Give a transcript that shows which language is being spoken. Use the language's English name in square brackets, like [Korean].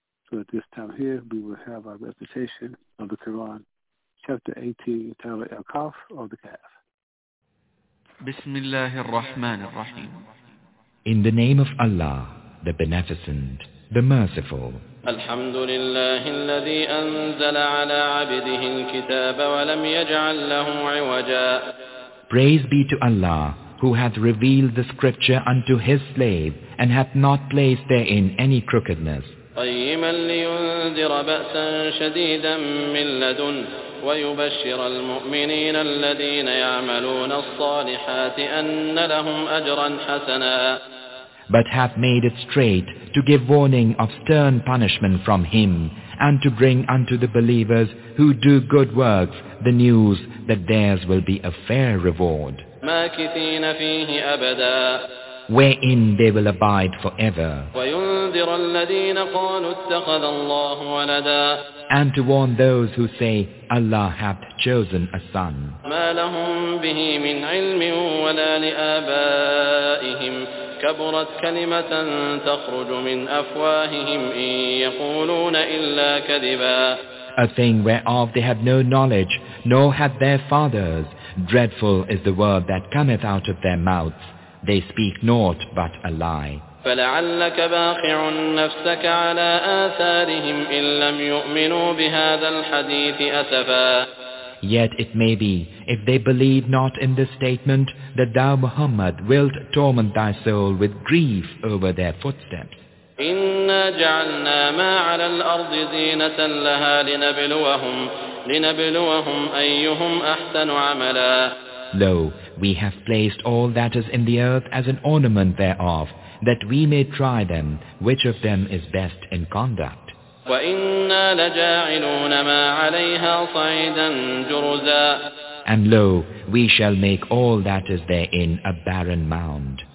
[English] So at this time here, we will have our recitation of the Quran, chapter 18, Tala Al-Kaf or the Kaf. [Arabic] بسم الله الرحمن الرحيم. [English] In the name of Allah, the Beneficent, the Merciful. [Arabic] الحمد لله الذي أنزل على عبده الكتاب ولم يجعل له عوجا. [English] Praise be to Allah, who hath revealed the scripture unto his slave and hath not placed therein any crookedness. [Arabic] قيما لينذر بأسا شديدا من لدن ويبشر المؤمنين الذين يعملون الصالحات أن لهم أجرا حسنا. [English] But hath made it straight to give warning of stern punishment from him and to bring unto the believers who do good works the news that theirs will be a fair reward. [Arabic] ماكثين فيه أبدا. [English] Wherein they will abide forever. [Arabic] وينذر الذين قالوا اتخذ الله ولدا. [English] And to warn those who say, Allah hath chosen a son. [Arabic] ما لهم به من علم ولا لآبائهم كبرت كلمة تخرج من أفواههم إن يقولون إلا كذبا. [English] A thing whereof they have no knowledge, nor had their fathers. Dreadful is the word that cometh out of their mouths. They speak naught but a lie. [Arabic] فلعلك باخع نفسك على آثارهم إن لم يؤمنوا بهذا الحديث أسفا. [English] Yet it may be, if they believe not in this statement, that thou Muhammad wilt torment thy soul with grief over their footsteps. [Arabic] إنا جعلنا ما على الأرض زينة لها لنبلوهم أيهم أحسن عملا. [English] Lo, we have placed all that is in the earth as an ornament thereof, that we may try them, which of them is best in conduct. [Arabic] وَإِنَّا لَجَاعِلُونَ مَا عَلَيْهَا صَعِيدًا جُرُزًا. [English] And lo, we shall make all that is therein a barren mound.